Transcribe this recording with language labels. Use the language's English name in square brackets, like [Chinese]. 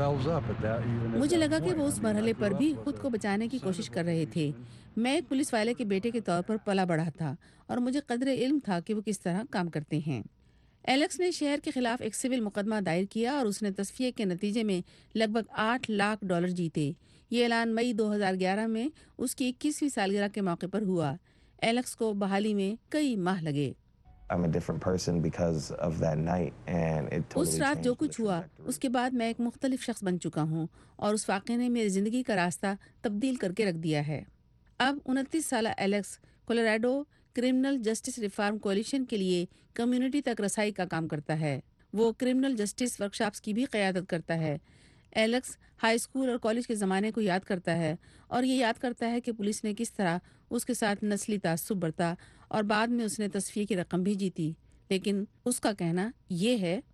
[Urdu] مجھے لگا کہ وہ اس مرحلے پر بھی خود کو بچانے کی کوشش کر رہے تھے۔ میں ایک پولیس والے کے بیٹے کے طور پر پلا بڑھا تھا اور مجھے قدر علم تھا کہ وہ کس طرح کام کرتے ہیں۔ ایلکس نے شہر کے خلاف ایک سول مقدمہ دائر کیا اور اس نے تصفیے کے نتیجے میں لگ بھگ $800,000 جیتے۔ یہ اعلان مئی 2011 میں اس کی 21ویں سالگرہ کے موقع پر ہوا۔ ایلکس کو بحالی میں کئی ماہ لگے۔ [English] I'm a different person because of that night and it totally [Urdu] اس رات جو کچھ ہوا اس کے بعد میں ایک مختلف شخص بن چکا ہوں اور اس واقعے نے میری زندگی کا راستہ تبدیل کر کے رکھ دیا ہے۔ اب 29 سالہ Alex Colorado criminal justice reform coalition کے لیے کمیونٹی تک رسائی کا کام کرتا ہے۔ وہ کرمنل جسٹس ورکشاپس کی بھی قیادت کرتا ہے۔ ایلکس ہائی اسکول اور کالج کے زمانے کو یاد کرتا ہے اور یہ یاد کرتا ہے کہ پولیس نے کس طرح اس کے ساتھ نسلی تعصب برتا اور بعد میں اس نے تصفیے کی رقم بھی جیتی۔ لیکن اس کا کہنا یہ ہے،